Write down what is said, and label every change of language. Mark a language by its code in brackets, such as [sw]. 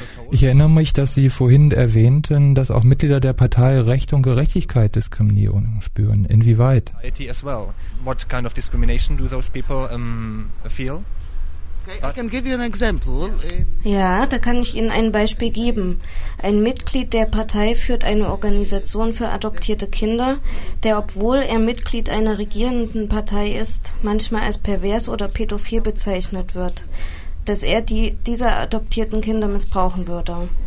[de] Ich erinnere mich, dass Sie vorhin erwähnten, dass auch Mitglieder der Partei Recht und Gerechtigkeit Diskriminierung spüren. Inwieweit? [en] What kind of discrimination do those people feel? I can give you an example. [de] Ja, da kann ich Ihnen ein Beispiel geben. Ein Mitglied der Partei führt eine Organisation für adoptierte Kinder, der, obwohl er Mitglied einer regierenden Partei ist, manchmal als pervers oder pädophil bezeichnet wird. Dass er diese adoptierten Kinder missbrauchen würde.